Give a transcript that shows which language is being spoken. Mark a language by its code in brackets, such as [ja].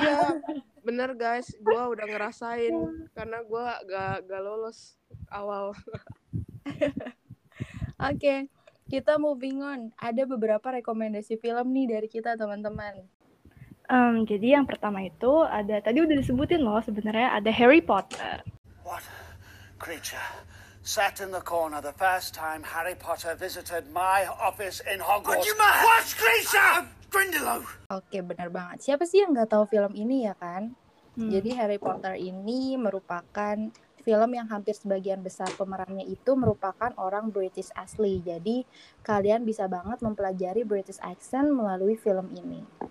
[id] Iya. Bener guys, gue udah ngerasain karena gue gak lolos awal. Oke. Okay. Kita [en] moving on, [id] ada beberapa rekomendasi film nih dari kita teman-teman. Jadi yang pertama itu ada, tadi udah disebutin loh sebenarnya, ada Harry Potter. [en] What creature sat in the corner the first time Harry Potter visited my office in Hogwarts? What creature? Grindelow. [id] Oke, benar banget. Siapa sih yang gak tahu film ini ya kan? Jadi Harry Potter ini merupakan film yang hampir sebagian besar pemerannya itu merupakan orang British asli. Jadi kalian bisa banget mempelajari British accent melalui film ini.